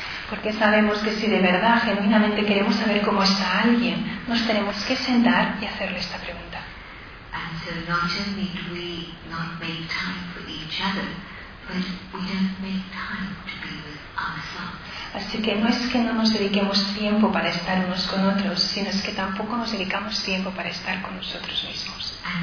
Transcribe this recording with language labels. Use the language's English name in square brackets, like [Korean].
[Spanish] Porque sabemos que si de verdad, genuinamente queremos saber cómo está alguien, nos tenemos que sentar y hacerle esta pregunta. [English] And so not only do we not make time for each other, but we don't make time to be with ourselves. [Spanish] Así que no es que no nos dediquemos tiempo para estar unos con otros, sino es que tampoco nos dedicamos tiempo para estar con nosotros mismos.